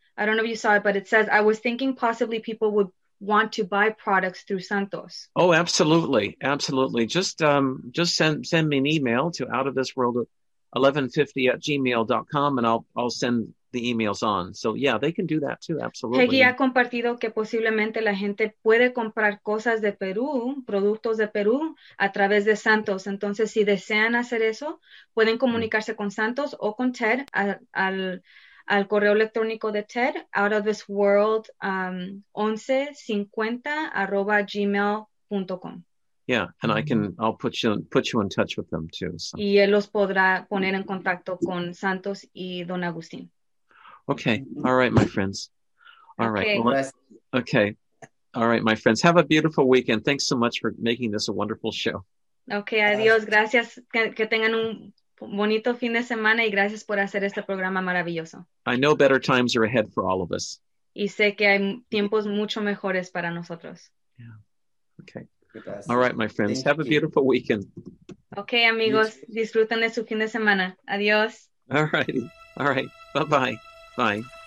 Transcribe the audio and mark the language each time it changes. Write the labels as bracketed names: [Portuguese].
[English] I don't know if you saw it, but it says, I was thinking possibly people would want to buy products through Santos. Oh, absolutely. Absolutely. Just send me an email to outofthisworld1150@gmail.com and I'll send the emails on. So yeah, they can do that too. Absolutely. [Spanish] Peggy ha compartido que posiblemente la gente puede comprar cosas de Perú, productos de Perú a través de Santos. Entonces, si desean hacer eso, pueden comunicarse con Santos o con Ted al correo electrónico de Ted, outofthisworld 1150@gmail.com. [English] Yeah, and I'll put you in touch with them too. So. [Spanish] Y él los podrá poner en contacto con Santos y Don Agustín. [English] Okay. All right, my friends. All right. Okay. All right, my friends. Have a beautiful weekend. Thanks so much for making this a wonderful show. [Spanish] Okay. Adiós. Gracias. Que tengan un bonito fin de semana y gracias por hacer este programa maravilloso. [English] I know better times are ahead for all of us. [Spanish] Y sé que hay tiempos mucho mejores para nosotros. [English] Yeah. Okay. [Spanish] Gracias. [English] All right, my friends. Thank Have you. A beautiful weekend. [Spanish] Okay, amigos. Disfruten de su fin de semana. Adiós. [English] All right. All right. Bye-bye. Bye.